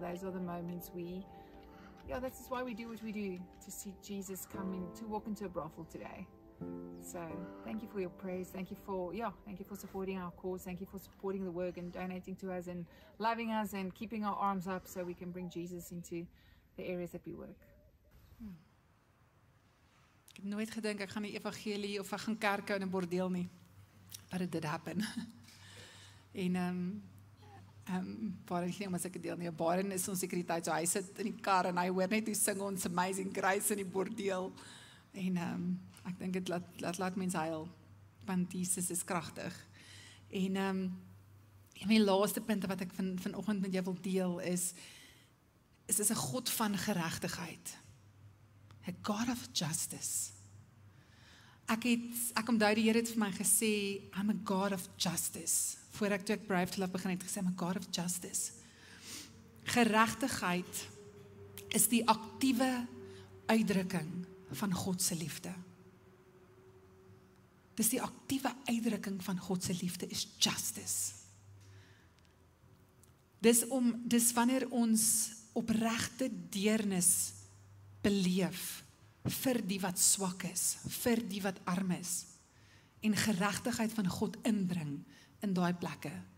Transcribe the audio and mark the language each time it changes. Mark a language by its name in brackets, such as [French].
[English] Those are the moments this is why we do what we do, to see Jesus coming, to walk into a brothel today. So thank you for your prayers. Thank you for supporting our cause. Thank you for supporting the work and donating to us and loving us and keeping our arms up so we can bring Jesus into the areas that we work. [Afrikaans] Ek het nooit gedink ek gaan die evangelie of ek gaan kerk hou in 'n bordeel nie. [English] But it did happen. [Afrikaans] En Baren ging ons ek deel nie. Baren is ons sekuriteit, so hy sit in die kar en hy hoor net hoe sing ons Amazing Grace in die bordeel. En ek dink het laat mens huil, want Jesus is krachtig. En my laaste punt wat ek vanoggend met jou wil deel is, is as 'n God van geregtigheid. [English] A God of justice. [Afrikaans] Ek onthou die Here het vir my gesê, [English] I'm a God of justice. [Afrikaans] Voor ek toe ek Brave to Love begin het gesê, [English] I'm a God of justice. [Afrikaans] Geregtigheid is die actieve uitdrukking van Godse liefde. Dis die actieve uitdrukking van Godse liefde is justice. Dis wanneer ons opregte deernis beleef vir die wat swak is, vir die wat arm is, en geregtigheid van God inbring in daai plekke.